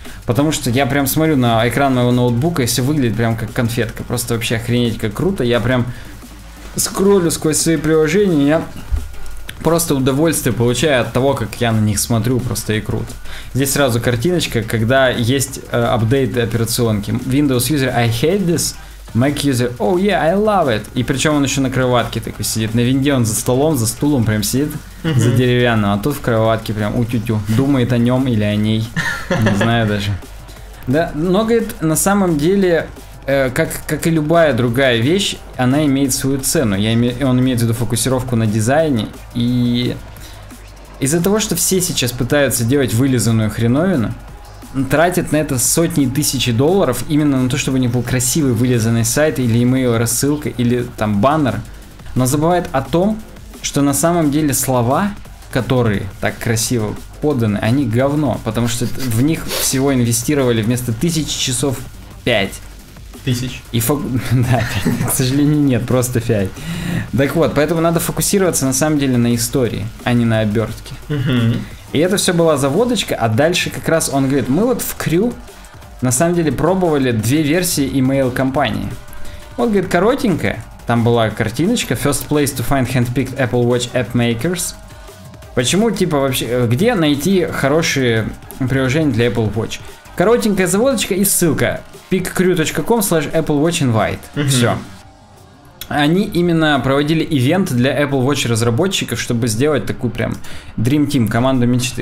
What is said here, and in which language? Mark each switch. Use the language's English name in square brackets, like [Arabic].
[Russian] Потому что я прям смотрю на экран моего ноутбука, и все выглядит прям как конфетка. Просто вообще охренеть, как круто. Я прям скроллю сквозь свои приложения, и я просто удовольствие получаю от того, как я на них смотрю, просто и круто. Здесь сразу картиночка, когда есть апдейт операционки. [English] Windows user, I hate this. Mac user, oh yeah, I love it. [Russian] И причем он еще на кроватке такой сидит. На винде он за столом, за стулом прям сидит, за деревянным. А тут в кроватке прям утю-тю. Думает о нем или о ней. Не знаю даже. Да, но, говорит, на самом деле, как и любая другая вещь, она имеет свою цену. Он имеет в виду фокусировку на дизайне. И из-за того, что все сейчас пытаются делать вылизанную хреновину, тратят на это сотни тысяч долларов именно на то, чтобы у них был красивый вылизанный сайт или email-рассылка, или там баннер, но забывает о том, что на самом деле слова, которые так красиво поданы, они говно, потому что в них всего инвестировали вместо тысяч часов 5 тысяч. И да, к сожалению, нет, просто 5. Так вот, поэтому надо фокусироваться на самом деле на истории, а не на обертке. И это все была заводочка, а дальше как раз он говорит, мы вот в Крю на самом деле пробовали две версии email-компании. Он говорит, коротенькая, там была картиночка, [English] first place to find handpicked Apple Watch app makers. [Russian] Почему, типа, вообще, где найти хорошие приложения для Apple Watch? Коротенькая заводочка и ссылка, pickcrew.com/applewatchinvite. Все. Они именно проводили ивент для Apple Watch разработчиков, чтобы сделать такую прям Dream Team, команду мечты.